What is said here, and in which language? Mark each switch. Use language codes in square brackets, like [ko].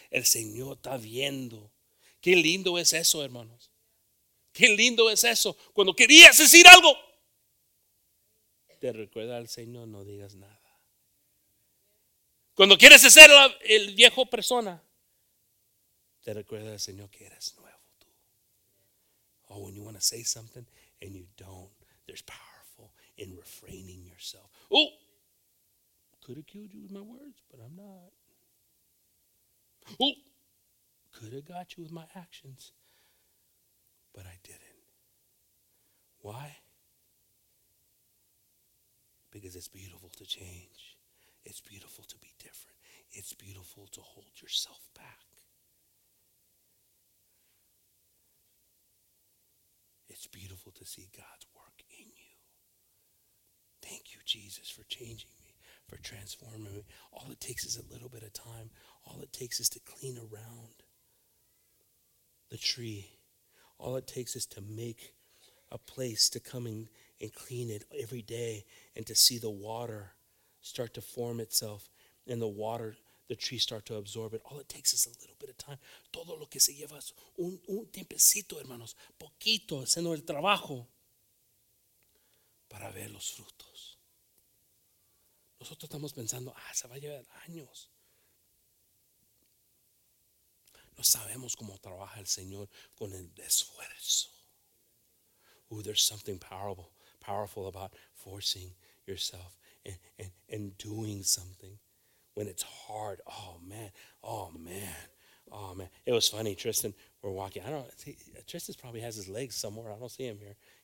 [es] El Señor está viendo. Qué lindo es eso, hermanos. Qué lindo es eso. Cuando querías decir algo, te recuerda al Señor, no digas nada. Cuando quieres ser el viejo persona, te recuerda al Señor que eres nuevo tú. [en] Oh, when you want to say something and you don't, there's powerful in refraining yourself. Oh, could have killed you with my words, but I'm not. Oh, could have got you with my actions, but I didn't. Why? Because it's beautiful to change. It's beautiful to be different. It's beautiful to hold yourself back. It's beautiful to see God's work in you. Thank you, Jesus, for changing me, for transforming me. All it takes is a little bit of time. All it takes is to clean around the tree. All it takes is to make a place to come in and clean it every day and to see the water start to form itself and the water, the tree start to absorb it. All it takes is a little bit of time. [es] Todo lo que se lleva es un tiempecito, hermanos. Poquito, haciendo el trabajo. Para ver los frutos. Nosotros estamos pensando, ah, se va a llevar años. No sabemos cómo trabaja el Señor con el esfuerzo. [en] Ooh, there's something powerful about forcing yourself and doing something when it's hard. Oh, man. Oh, man. Oh, man. It was funny. Tristan, we're walking. Tristan probably has his legs somewhere. I don't see him here.